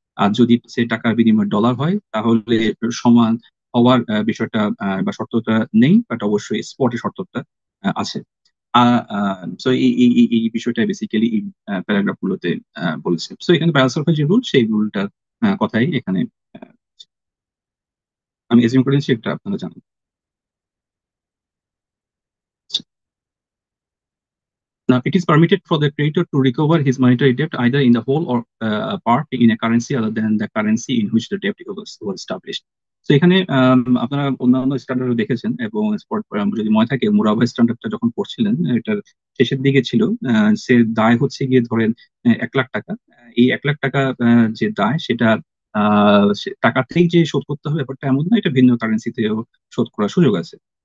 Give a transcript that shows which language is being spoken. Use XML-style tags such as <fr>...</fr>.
<bn>আর যদি সে টাকার বিনিময়ে ডলার হয় তাহলে সমান হওয়ার বিষয়টা বা শর্তটা নেই, বাট অবশ্যই স্পটে শর্তটা আছে। সো এই এই বিষয়টা বেসিক্যালি এই প্যারাগ্রাফ গুলোতে বলেছে। সো এখানে বাই অলসফের যে রুল সেই রুলটা কথাই এখানে আমি এসিউম করেছি একটা আপনারা জানেন।</bn> <en>Now it is permitted for the creditor to recover his monetary debt either in the whole or part in a currency other than the currency in which the debt was established.</en> <bn>তো এখানে আপনারা অন্যান্য standard দেখেছেন এবং spot যদি মনে থাকে মুরাবাই স্ট্যান্ডার্ডটা যখন পড়ছিলেন এটার শেষের দিকে ছিল, সে দায় হচ্ছে গিয়ে ধরেন 1 লাখ টাকা, এই 1 লাখ টাকা যে দায় সেটা টাকাতেই যে শোধ করতে হবে ব্যাপারটা এমন না, এটা ভিন্ন কারেন্সিতেও শোধ করার সুযোগ আছে।</bn>